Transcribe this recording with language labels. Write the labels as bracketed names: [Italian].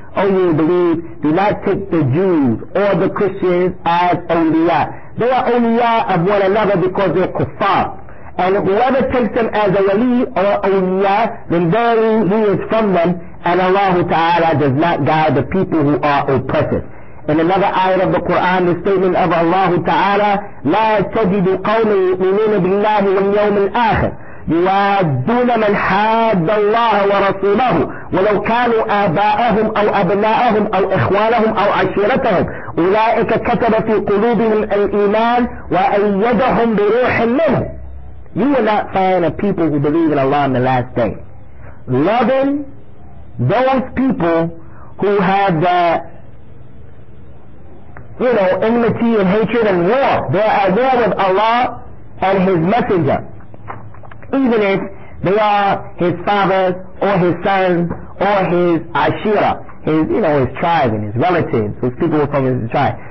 [English] Oh, you believe, do not take the Jews or the Christians as awliya. They are awliya of one another because they're kuffar. And whoever takes them as a wali or awliya, then verily he is from them, and Allah Ta'ala does not guide the people who are oppressors. In another ayat of the Quran, the statement of Allah Ta'ala, [Arabic] لا تجد قوم يؤمنون بالله واليوم الآخر يوادون من حاد الله ورسوله ولو كانوا آباءهم أو أبناءهم أو إخوانهم أو عشيرتهم أولئك كتب في قلوبهم الإيمان وأيدهم بروح منه. [English] You will not find a people who believe in Allah on the last day loving those people who have the, you know, enmity and hatred and war. They are at war with Allah and His Messenger, even if they are his fathers or his sons or his ashira, his, you know, his tribe and his relatives, his people from his tribe.